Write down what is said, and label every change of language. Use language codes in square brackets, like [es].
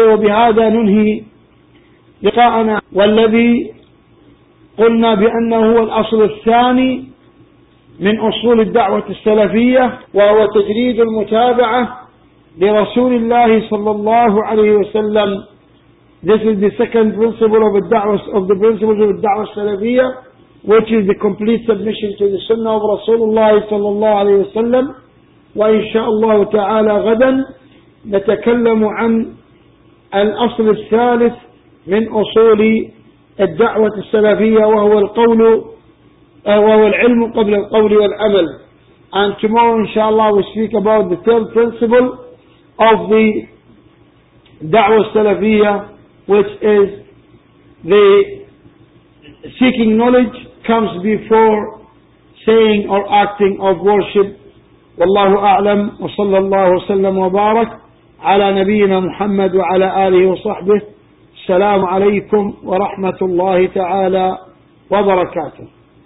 [ar] وَبِهَذَا نُنْهِي لِقَاءَنَا وَالَّذِي قُلْنَا بِأَنَّهُ هُوَ الْأَصْلُ الثَّانِي مِنْ أُصُولِ الدَّعْوَةِ السَّلَفِيَّةِ وَهُوَ تَجْرِيدُ الْمُتَابَعَةِ لِرَسُولِ اللَّهِ صَلَّى اللَّهُ عَلَيْهِ وَسَلَّمْ. [en] This is the second principle of the principles of الدَّعْوَةِ السَّلَفِيَّةِ, which is the complete submission to the sunnah of Rasulullah صلى الله عليه وسلم. [ar] وإن شاء الله تعالى غدا نتكلم عن الأصل الثالث من أصول الدعوة السلفية, وهو القول وهو العلم قبل القول والعمل. [en] And tomorrow [ar] إن شاء الله [en] we speak about the third principle of the دعوة السلفية, which is the seeking knowledge comes before saying or acting of worship. [ar] والله أعلم, وصلى الله وسلم وبارك على نبينا محمد وعلى آله وصحبه. السلام عليكم ورحمة الله تعالى وبركاته.